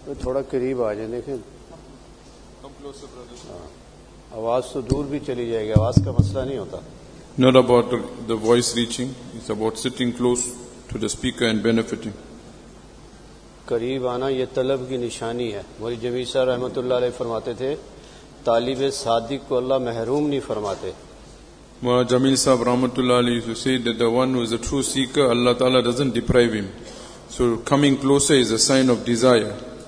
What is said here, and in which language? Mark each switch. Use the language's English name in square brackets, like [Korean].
[Urdu] تھوڑا قریب آ جائیں, دیکھیں آواز تو دور بھی چلی جائے گی, آواز کا مسئلہ نہیں ہوتا. [English] Not about the voice reaching, it's about sitting close to the speaker and benefiting. [Urdu] قریب آنا یہ طلب کی نشانی ہے. مولوی جمیل صاحب رحمۃ اللہ علیہ فرماتے تھے طالب صادق کو اللہ محروم نہیں فرماتے. [English] مولوی جمیل صاحب رحمۃ اللہ علیہ used to say that the one who is a true seeker, Allah Ta'ala doesn't deprive him. So coming closer is a sign of desire.